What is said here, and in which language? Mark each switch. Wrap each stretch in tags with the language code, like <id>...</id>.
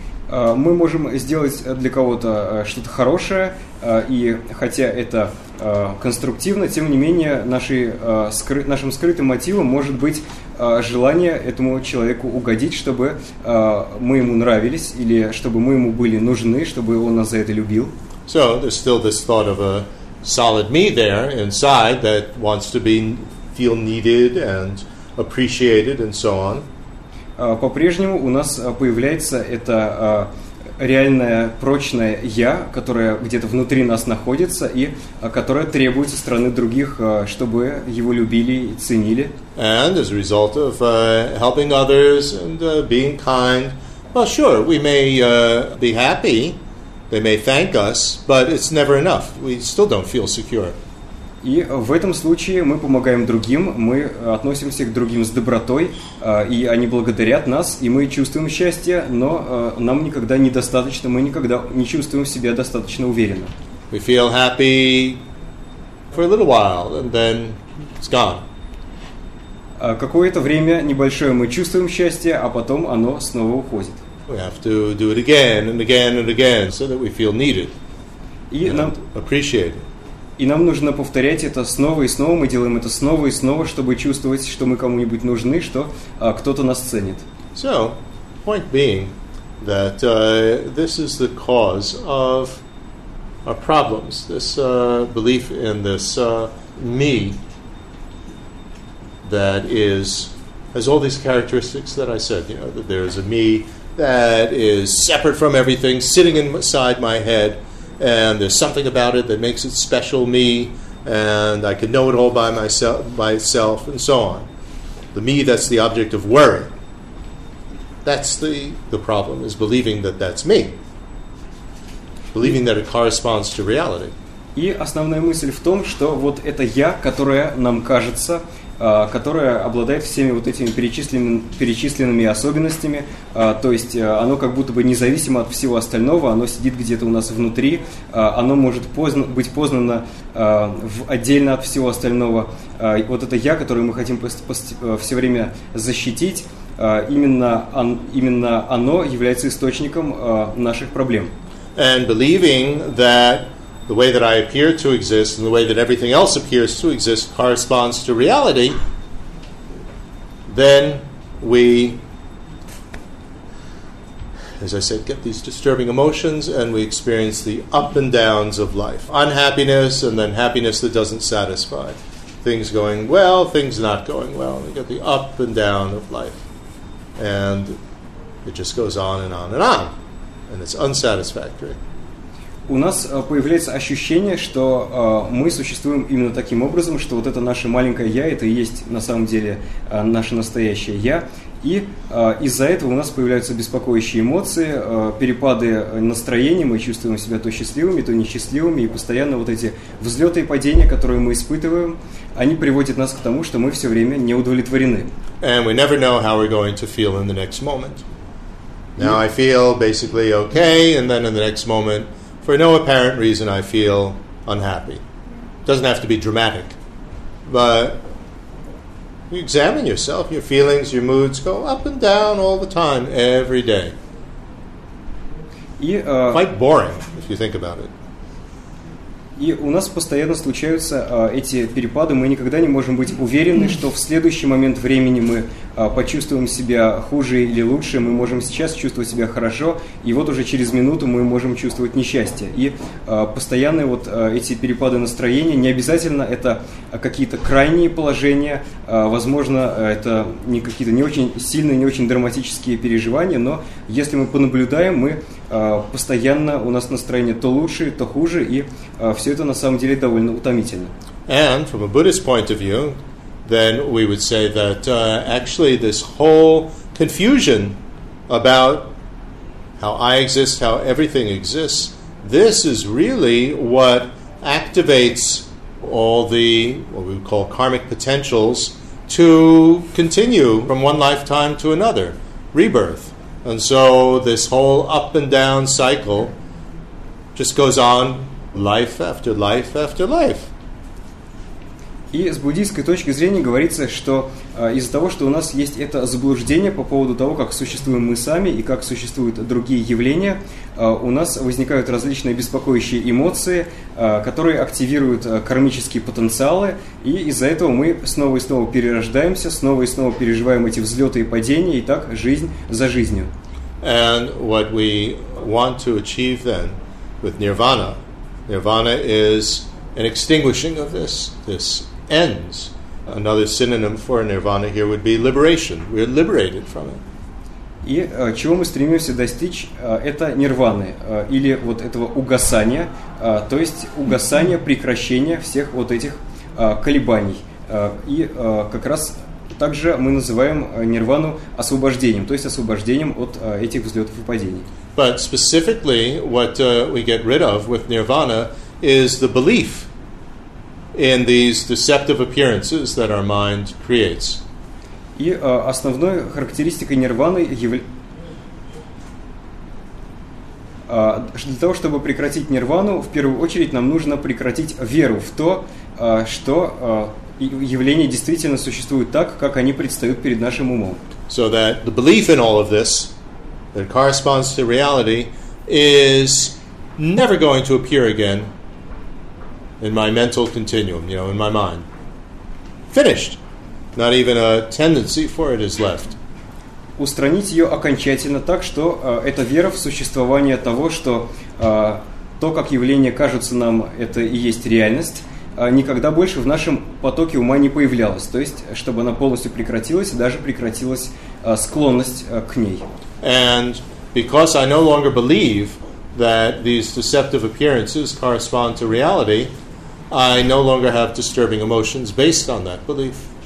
<ru>Мы можем сделать для кого-то что-то хорошее, и хотя это конструктивно, тем не менее нашим скрытым мотивом может быть желание этому человеку угодить, чтобы мы ему нравились, или чтобы мы ему были нужны, чтобы он нас за это любил.</ru> <en>So there's still this thought of a solid me there inside that wants to be feel needed and appreciated and so on.</en> <ru>По-прежнему у нас появляется это реальное прочное я, которое где-то внутри нас находится и которое требует со стороны других, чтобы его любили и ценили.</ru> <en>And as a result of helping others and being kind, well, sure, we may be happy. They may thank us, but it's never enough. We still don't feel secure.</en> <ru>И в этом случае мы помогаем другим, мы относимся к другим с добротой, и они благодарят нас, и мы чувствуем счастье, но нам никогда недостаточно, мы никогда не чувствуем себя достаточно уверенно.</ru> <en>We feel happy for a little while, and then it's gone.</en> <ru>Какое-то время небольшое мы чувствуем счастье, а потом оно снова уходит.</ru> <en>We have to do it again and again and again so that we feel needed and appreciated.</en> <ru>И нам нужно повторять это снова и снова. Мы делаем это снова и снова, чтобы чувствовать, что мы кому-нибудь нужны, что кто-то нас ценит.</ru> <en>So, point being that this is the cause of our problems, this belief in this me that is has all these characteristics that I said, you know, that there is a me that is separate from everything, sitting inside my head, and there's something about it that makes it special me, and I can know it all by itself, and so on. The me that's the object of worry. That's the problem, is believing that that's me. Believing that it corresponds to reality.</en> <ru>И основная мысль в том, что вот это я, которое нам кажется, которая обладает всеми вот этими перечисленными особенностями, то есть оно как будто бы независимо от всего остального, оно сидит где-то у нас внутри, оно может быть познано отдельно от всего остального. Вот это я, которое мы хотим все время защитить, именно оно является источником наших проблем.</ru> <en>And believing that the way that I appear to exist and the way that everything else appears to exist corresponds to reality, then we, as I said, get these disturbing emotions and we experience the up and downs of life. Unhappiness and then happiness that doesn't satisfy. Things going well, things not going well. We get the up and down of life. And it just goes on and on and on. And it's unsatisfactory.</en> <ru>У нас появляется ощущение, что мы существуем именно таким образом, что вот это наше маленькое «я», это и есть на самом деле наше настоящее «я». И из-за этого у нас появляются беспокоящие эмоции, перепады настроения, мы чувствуем себя то счастливыми, то несчастливыми, и постоянно вот эти взлеты и падения, которые мы испытываем, они приводят нас к тому, что мы все время не удовлетворены.</ru> <en>And we never know how we're going to feel in the next moment. Now I feel basically okay, and then in the next moment, for no apparent reason, I feel unhappy. Doesn't have to be dramatic, but you examine yourself, your feelings, your moods go up and down all the time, every day. Quite boring, if you think about it.</en> <ru>И у нас постоянно случаются эти перепады, мы никогда не можем быть уверены, что в следующий момент времени мы почувствуем себя хуже или лучше, мы можем сейчас чувствовать себя хорошо, и вот уже через минуту мы можем чувствовать несчастье. И постоянные вот эти перепады настроения, не обязательно это какие-то крайние положения, возможно, это не какие-то не очень сильные, не очень драматические переживания, но если мы понаблюдаем, мы постоянно у нас настроение то лучше, то хуже, и все это на самом деле довольно утомительно.</ru> <en>And from a Buddhist point of view, then we would say that actually this whole confusion about how I exist, how everything exists, this is really what activates all the, what we would call karmic potentials, to continue from one lifetime to another, rebirth. And so this whole up and down cycle just goes on life after life after life.</en> <ru>И с буддийской точки зрения говорится, что из-за того, что у нас есть это заблуждение по поводу того, как существуем мы сами и как существуют другие явления, у нас возникают различные беспокоящие эмоции, которые активируют кармические потенциалы, и из-за этого мы снова и снова перерождаемся, снова и снова переживаем эти взлеты и падения, и так жизнь за жизнью.</ru> <en>And what we want to achieve then with Nirvana, Nirvana is an extinguishing of this ends. Another synonym for nirvana here would be liberation. We're liberated from it.</en> <ru>И чего мы стремимся достичь, это нирваны, или вот этого угасания, то есть угасание, прекращение всех вот этих колебаний. И как раз также мы называем нирвану освобождением, то есть освобождением от этих взлетов и падений.</ru> <en>But specifically, what we get rid of with nirvana is the belief in these deceptive appearances that our mind creates.</en> <ru>И основной характеристикой нирваны для того, чтобы прекратить нирвану, в первую очередь нам нужно прекратить веру в то, что явления действительно существуют так, как они предстают перед нашим умом.</ru> <en>So that the belief in all of this that corresponds to reality is never going to appear again in my mental continuum, you know, in my mind. Finished. Not even a tendency for it is left.</en> <ru>Устранить ее окончательно так, что эта вера в существование того, что то, как явления кажутся нам, это и есть реальность, никогда больше в нашем потоке ума не появлялась. То есть, чтобы она полностью прекратилась, даже прекратилась склонность к ней.</ru> <en>And because I no longer believe that these deceptive appearances correspond to reality, I no longer have disturbing emotions based on that belief.</en>